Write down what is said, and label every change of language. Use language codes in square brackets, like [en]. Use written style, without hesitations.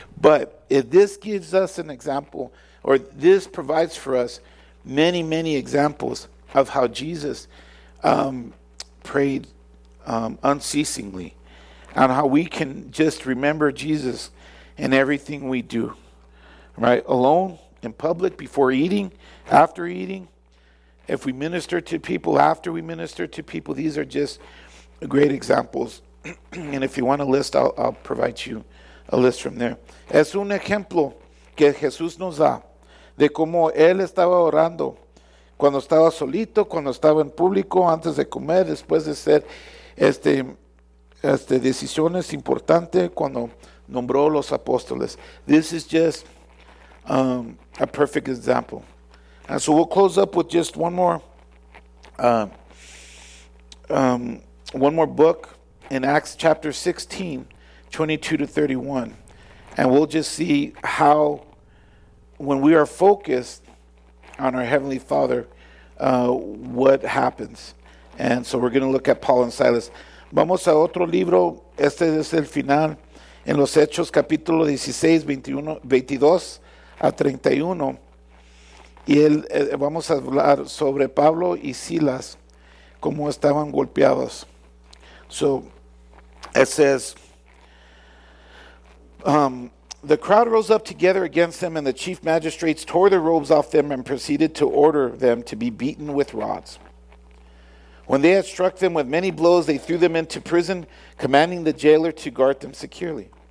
[en] But if this gives us an example, or this provides for us many, many examples of how Jesus prayed unceasingly, and how we can just remember Jesus in everything we do, right? Alone, in public, before eating, after eating, if we minister to people, after we minister to people, these are just great examples. And if you want a list, I'll provide you a list from there. [es] Es un ejemplo que Jesús nos da de cómo él estaba orando cuando estaba solito, cuando estaba en público, antes de comer, después de hacer decisiones importantes, cuando nombró los apóstoles. [en] This is just a perfect example. And so we'll close up with just one more book in Acts chapter 16, 22 to 31. And we'll just see how, when we are focused on our Heavenly Father, what happens. And so we're going to look at Paul and Silas. [es] Vamos a otro libro. Este es el final. En los Hechos, capítulo 16, 22 a 31. Y vamos a hablar sobre Pablo y Silas, cómo estaban golpeados. [en] So it says, the crowd rose up together against them, and the chief magistrates tore their robes off them and proceeded to order them to be beaten with rods. When they had struck them with many blows, they threw them into prison, commanding the jailer to guard them securely.